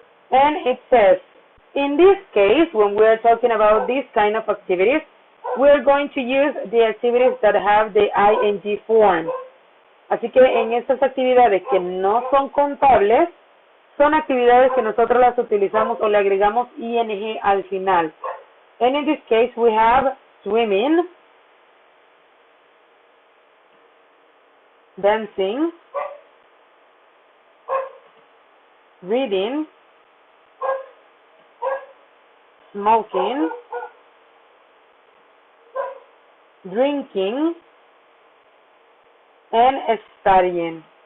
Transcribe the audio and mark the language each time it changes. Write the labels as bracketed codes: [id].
[en] And it says, in this case, when we are talking about these kind of activities, we are going to use the activities that have the ing form. [es] Así que en estas actividades que no son contables, son actividades que nosotros las utilizamos o le agregamos ing al final. [en] And in this case, we have swimming, dancing, reading, smoking, drinking, and studying.